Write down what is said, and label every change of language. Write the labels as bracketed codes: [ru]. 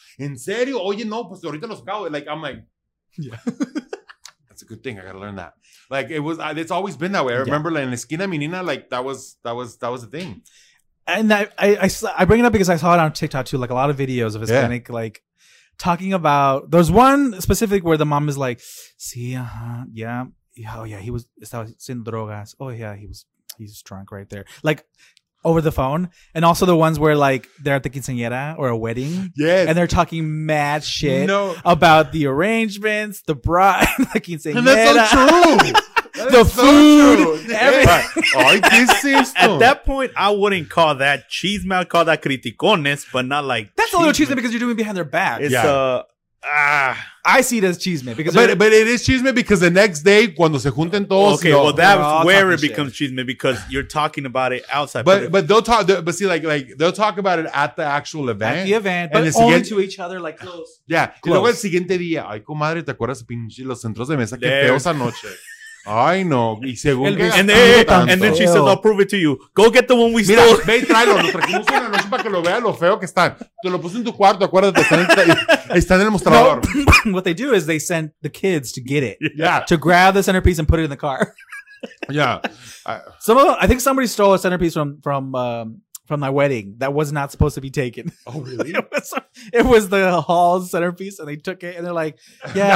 [es] En serio, oye, no, pues ahorita los acabo. [en] Like, I'm like, yeah. That's a good thing. I gotta learn that. Like, it was, it's always been that way. I remember like, [es] en la esquina, menina, [en] like, that was the thing. And I bring it up because I saw it on TikTok too, like a lot of videos of Hispanic, like, talking about, there's one specific where the mom is like, sí, yeah, oh yeah, he was, [es] estaba sin drogas, [en] oh yeah, he's drunk right there, like over the phone. And also the ones where like they're at the quinceañera or a wedding, yes, and they're talking mad shit about the arrangements, the bride, the quinceañera, and that's so true. The food, everything. At that point, I wouldn't call that chisme. I'd call that criticones, but not like that's chisme. A little chisme because you're doing it behind their back. It's I see it as chisme because, but it is chisme because the next day, [es] cuando se junten todos, [en] okay, well that's where it becomes chisme because you're talking about it outside. But they'll talk. But see, like they'll talk about it at the actual event. At the event, but only to each other, like close. Yeah. [es] Close. Y luego el siguiente día, ay, comadre, ¿te acuerdas pinche los centros de mesa que feo esa noche? [en] I know. [es] Y según [en] and then she says, I'll prove it to you. Go get the one we [es] mira, [en] stole. [es] Ve y tráelo. Lo trajimos una noche para que lo vea lo feo que están. Te lo puse en tu cuarto, acuérdate. Están en el mostrador. No. [en] What they do is they send the kids to get it. Yeah. To grab the centerpiece and put it in the car. Yeah. I think somebody stole a centerpiece from my wedding that was not supposed to be taken. Oh, really? It was the hall's centerpiece, and they took it, and they're like, yeah.